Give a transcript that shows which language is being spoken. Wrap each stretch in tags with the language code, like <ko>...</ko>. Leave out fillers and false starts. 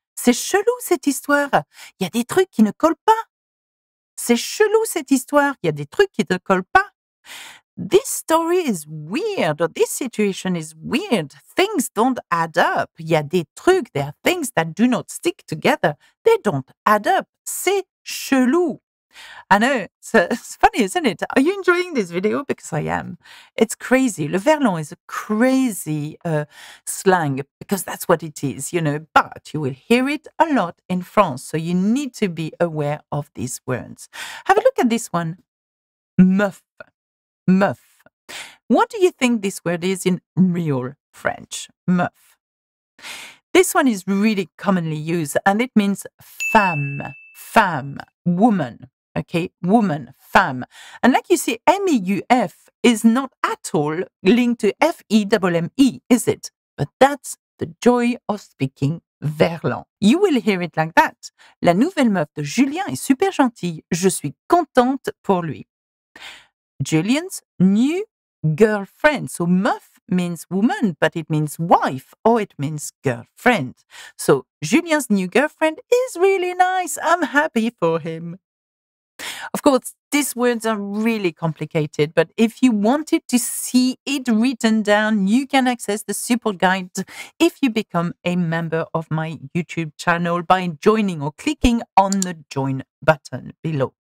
<fr>C'est chelou cette histoire, il y a des trucs qui ne collent pas. C'est chelou cette histoire, il y a des trucs qui ne collent pas.</fr> <en>This story is weird, or this situation is weird. Things don't add up.</en> <fr>Il y a des trucs,</fr> <en>there are things that do not stick together. They don't add up.</en> <fr>C'est chelou.</fr> <en>I know, it's funny, isn't it? Are you enjoying this video? Because I am. It's crazy. Le verlan is a crazy slang, because that's what it is, you know. But you will hear it a lot in France, so you need to be aware of these words. Have a look at this one. Meuf. Meuf. What do you think this word is in real French? Meuf. This one is really commonly used, and it means femme. Femme. Woman. Okay, woman, femme. And like you see, M-E-U-F is not at all linked to F-E-M-M-E, is it? But that's the joy of speaking verlan. You will hear it like that.</en> <fr>La nouvelle meuf de Julien est super gentille. Je suis contente pour lui.</fr> <en>Julien's new girlfriend. So</en> <fr>meuf</fr> <en>means woman, but it means wife or it means girlfriend. So Julien's new girlfriend is really nice. I'm happy for him. Of course, these words are really complicated, but if you wanted to see it written down, you can access the support guide if you become a member of my YouTube channel by joining or clicking on the join button below.</en>